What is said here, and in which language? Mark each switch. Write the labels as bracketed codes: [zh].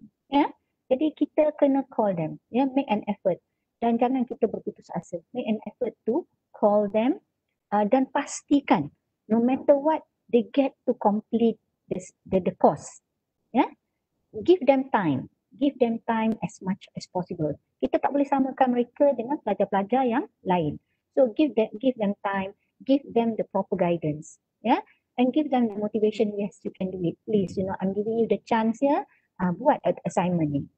[ms] Yeah, jadi kita kena [en] call them. Yeah, make an effort [ms] dan jangan kita berputus asa. [en] Make an effort to call them [ms] dan pastikan [en] no matter what they get to complete the course. Yeah, give them time as much as possible. [ms] Kita tak boleh samakan mereka dengan pelajar-pelajar yang lain. [en] So give them time, give them the proper guidance, yeah, and give them the motivation. Yes, you can do it, please, you know, I'm giving you the chance ya, buat assignment ni.